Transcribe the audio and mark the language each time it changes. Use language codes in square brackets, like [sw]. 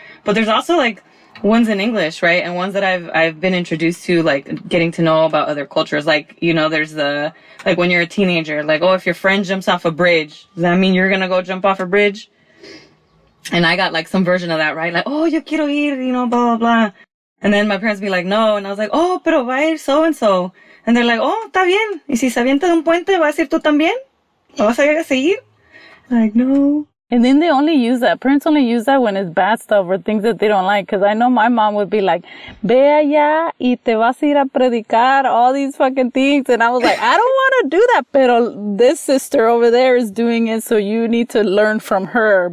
[en] But there's also like ones in English, right? And ones that I've been introduced to, like getting to know about other cultures. Like, you know, there's the, like when you're a teenager, like, oh, if your friend jumps off a bridge, does that mean you're going to go jump off a bridge? And I got like some version of that, right? Like, oh, [es] yo quiero ir, [en] you know, blah, blah, blah. And then my parents be like, no. And I was like, oh, [es] pero va a ir [en] so-and-so. And they're like, [es] oh, está bien. Y si se avienta de un puente, ¿vas a ir tú también? ¿Lo vas a ir a seguir? [en] Like, no. And then they only use that. Parents only use that when it's bad stuff or things that they don't like. Because I know my mom would be like, [es] ve allá y te vas a ir a predicar, [en] all these fucking things. And I was like, I don't want to do that. Pero this sister over there is doing it, so you need to learn from her.